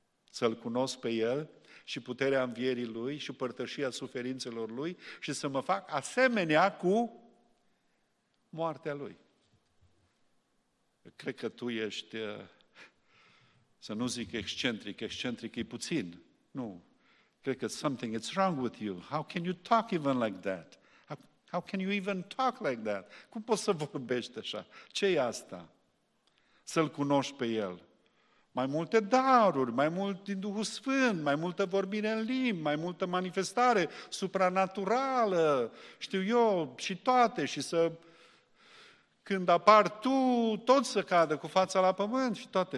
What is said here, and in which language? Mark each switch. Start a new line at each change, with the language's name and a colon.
Romanian: Să-L cunosc pe El și puterea învierii Lui și părtășia suferințelor Lui și să mă fac asemenea cu moartea Lui. Cred că tu ești, să nu zic excentric, excentric e puțin, nu. Cred că
English: something is wrong with you. How can you talk even like that? How can you even talk like that?
Romanian: Cum poți să vorbești așa? Ce e asta? Să-L cunoști pe El. Mai multe daruri, mai mult din Duhul Sfânt, mai multă vorbire în limbi, mai multă manifestare supranaturală, știu eu, și toate, și să, când apar tu, tot să cadă cu fața la pământ și toate.